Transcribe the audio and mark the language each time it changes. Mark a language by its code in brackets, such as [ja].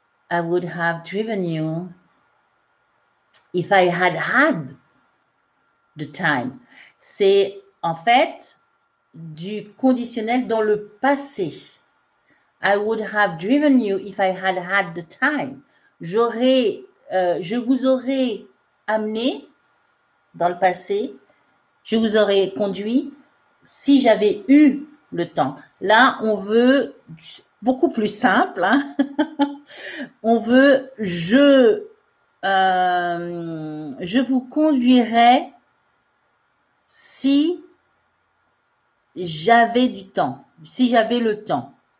[en] I would have driven you if I had had the time. [fr] C'est en fait du conditionnel dans le passé. [en] I would have driven you if I had had the time. [fr] Je vous aurais amené dans le passé, je vous aurais conduit si j'avais eu le temps. Là, on veut beaucoup plus simple. Hein? On veut je vous conduirai si j'avais du temps, si j'avais le temps.